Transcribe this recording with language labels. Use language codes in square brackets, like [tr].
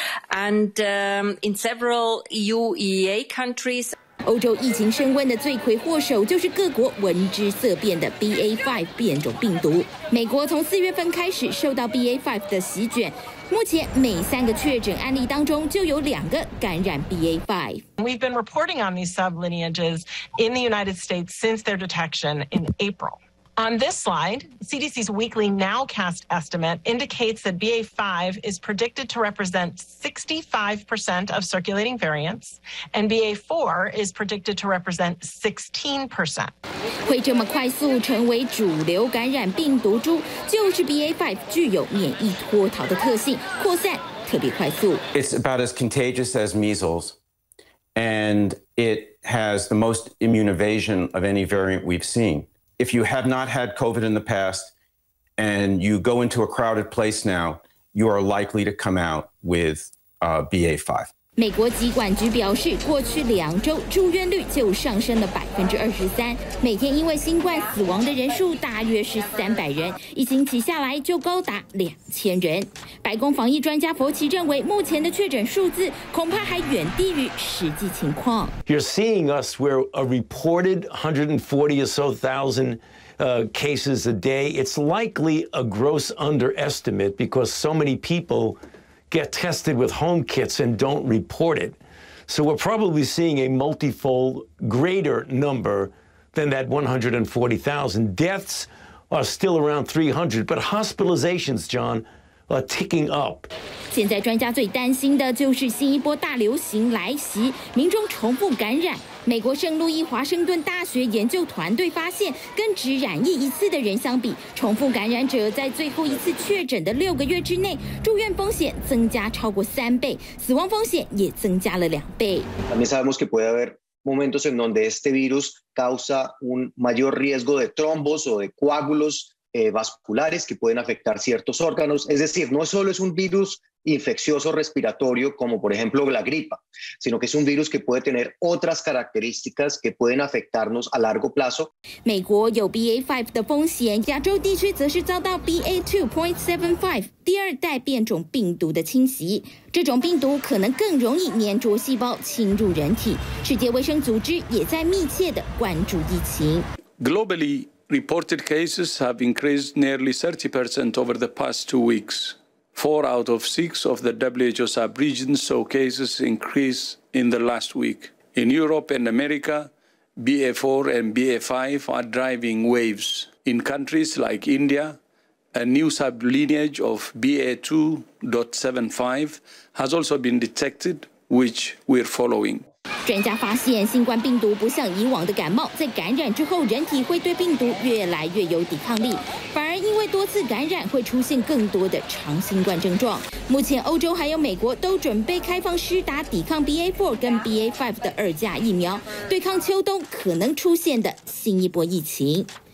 [en] And in several EUEA countries... [zh] 欧洲疫情升温的罪魁祸首就是各国闻之色变的 BA5 变种病毒。美国从四月份开始受到 BA5 的席卷，目前每三个确诊案例当中就有两个感染 BA5。 [en] We've been reporting on these sublineages in the United States since their detection in April. On this slide, CDC's weekly nowcast estimate indicates that BA5 is predicted to represent 65% of circulating variants, and BA4 is predicted to represent 16%. [zh] 会这么快速成为主流感染病毒株，就是 BA5 具有免疫脱逃的特性，扩散特别快速。 [en] It's about as contagious as measles, and it has the most immune evasion of any variant we've seen. If you have not had COVID in the past and you go into a crowded place now, you are likely to come out with BA5. [zh] 美国疾管局表示，过去两周住院率就上升了23%，每天因为新冠死亡的人数大约是300人，一星期下来就高达2000人。白宫防疫专家佛奇认为，目前的确诊数字恐怕还远低于实际情况。 [en] You're seeing us where a reported 140 or so thousand cases a day. It's likely a gross underestimate because so many people. Get tested with home kits and don't report it. So we're probably seeing a multifold greater number than that 140,000. Deaths are still around 300, but hospitalizations, John, are ticking up. [zh] 现在专家最担心的就是新一波大流行来袭，民众重复感染。美国圣路易华盛顿大学研究团队发现，跟只染疫一次的人相比，重复感染者在最后一次确诊的六个月之内，住院风险增加超过3倍，死亡风险也增加了2倍。 [es] También sabemos que puede haber momentos en donde este virus causa un mayor riesgo de trombos o de coágulos vasculares que pueden afectar ciertos órganos. Es decir, no solo es un virus. infeccioso respiratorio como por ejemplo la gripa, sino que es un virus que puede tener otras características que pueden afectarnos a largo plazo. [zh] 美国有 BA5 的风险，亚洲地区则是遭到 BA2.75 第二代变种病毒的侵袭。这种病毒可能更容易黏着细胞侵入人体。世界卫生组织也在密切的关注疫情。 [en] Globally, reported cases have increased nearly 30% over the past two weeks. Four out of six of the WHO sub-regions saw cases increase in the last week. In Europe and America, BA4 and BA5 are driving waves. In countries like India, a new sub-lineage of BA2.75 has also been detected, which we're following. [zh] 专家发现，新冠病毒不像以往的感冒，在感染之后，人体会对病毒越来越有抵抗力，反而因为多次感染，会出现更多的长新冠症状。目前，欧洲还有美国都准备开放施打抵抗 BA4 跟 BA5 的二价疫苗，对抗秋冬可能出现的新一波疫情。